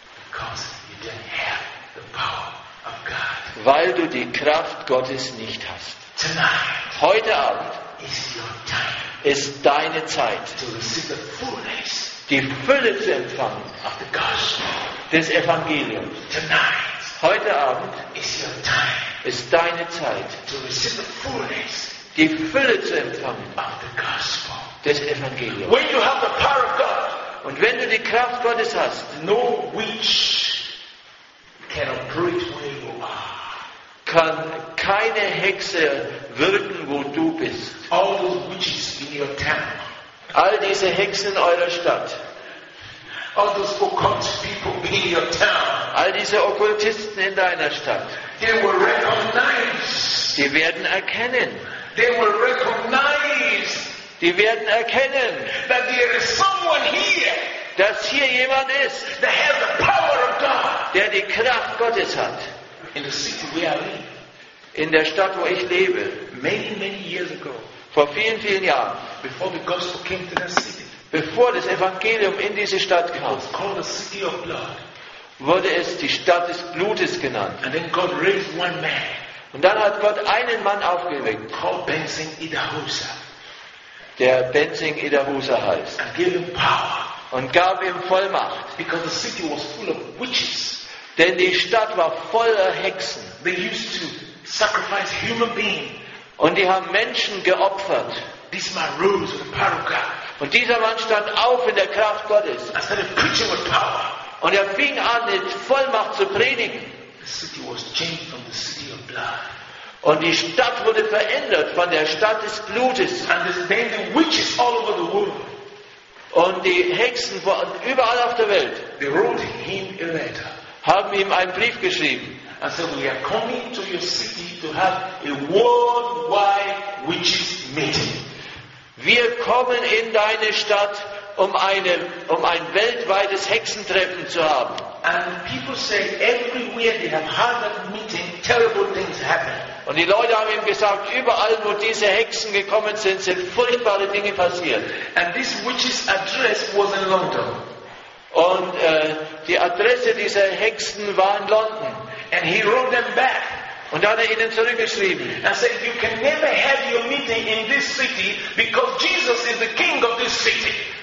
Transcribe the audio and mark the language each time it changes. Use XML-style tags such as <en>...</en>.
<en>Because you don't have the power of God.</en> <de>Weil du die Kraft Gottes nicht hast.</de> <en>Tonight.</en> <de>Heute Abend.</de> <en>Is your time.</en> <de>Ist deine Zeit.</de> <en>To receive the fullness.</en> <de>Die Fülle zu empfangen.</de> <en>Of the gospel.</en> <de>Des Evangeliums.</de> <en>Tonight.</en> <de>Heute Abend.</de> <en>Is your time.</en> <de>Ist deine Zeit.</de> <en>To receive the fullness.</en> <de>Die Fülle zu empfangen</de> <en>of the gospel.</en> <de>Des Evangeliums.</de> <en>When you have the power of God,</en> <de>und wenn du die Kraft Gottes hast,</de> <en>no witch can operate where you are.</en> <de>Kann keine Hexe wirken, wo du bist.</de> <en>All those witches in your temple.</en> <de>All diese Hexen in eurer Stadt.</de> <en>All those occult people in your town.</en> <de>All diese Okkultisten in deiner Stadt.</de> <en>They will recognize.</en> <de>Sie werden erkennen.</de> <en>They will recognize.</en> <de>Die werden erkennen,</de> <en>that there is someone here.</en> <de>Dass hier jemand ist.</de> <en>That has the power of God.</en> <de>Der die Kraft Gottes hat.</de> <en>In the city where I live.</en> <de>In der Stadt, wo ich lebe.</de> <en>Many, many years ago.</en> <de>Vor vielen, vielen Jahren.</de> <en>Before the gospel came to that city.</en> <de>Bevor das Evangelium in diese Stadt kam.</de> <en>It was called the city of blood.</en> <de>Wurde es die Stadt des Blutes genannt.</de> <en>And then God raised one man.</en> <de>Und dann hat Gott einen Mann aufgeweckt,</de> <en>called Benzing Idahusa,</en> <de>der Benzing Idahusa heißt,</de> <en>and gave him power,</en> <de>und gab ihm Vollmacht,</de> <en>because the city was full of witches.</en> <de>Denn die Stadt war voller Hexen.</de> <en>They used to sacrifice human beings.</en> <de>Und die haben Menschen geopfert.</de> <en>This man rose with the power of God.</en> <de>Und dieser Mann stand auf in der Kraft Gottes.</de> <en>And started preaching with power.</en> <de>Und er fing an, mit Vollmacht zu predigen.</de> <en>The city was changed from the city of blood.</en> <de>Und die Stadt wurde verändert von der Stadt des Blutes.</de> <en>And then the witches all over the world.</en> <de>Und die Hexen waren überall auf der Welt.</de> <en>They wrote him a letter.</en> <de>haben ihm einen Brief geschrieben.</de> <en>And said, we are coming to your city to have a worldwide witches meeting.</en> <de>Wir kommen in deine Stadt, um ein weltweites Hexentreffen zu haben.</de> <en>And people say everywhere they have had that meeting, terrible things happen.</en> <de>Und die Leute haben ihm gesagt, überall, wo diese Hexen gekommen sind, sind furchtbare Dinge passiert.</de> <en>And this witch's address was in London.</en> <de>Und die Adresse dieser Hexen war in London.</de> <en>And he wrote them back.</en> <de>Und da hat er ihnen zurückgeschrieben.</de> <en>And said, you can never have your meeting in this city because Jesus is the king of this city.</en>